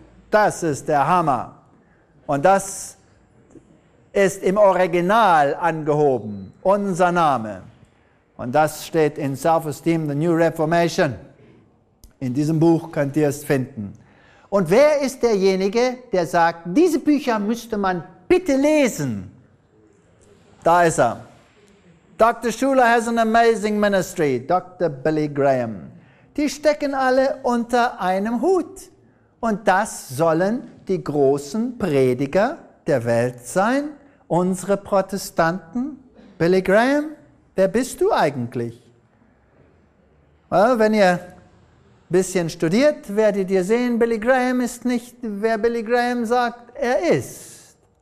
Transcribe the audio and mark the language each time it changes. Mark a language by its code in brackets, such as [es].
[de] Das ist der Hammer. Und das ist im Original angehoben. Unser Name. Und das steht in Self-Esteem, the New Reformation. In diesem Buch könnt ihr es finden. Und wer ist derjenige, der sagt, diese Bücher müsste man bitte lesen? Da ist er. Dr. [en] Schuller has an amazing ministry, Dr. Billy Graham. [de] Die stecken alle unter einem Hut. Und das sollen die großen Prediger der Welt sein, unsere Protestanten. Billy Graham, wer bist du eigentlich? Well, wenn ihr ein bisschen studiert, werdet ihr sehen, Billy Graham ist nicht, wer Billy Graham sagt, er ist.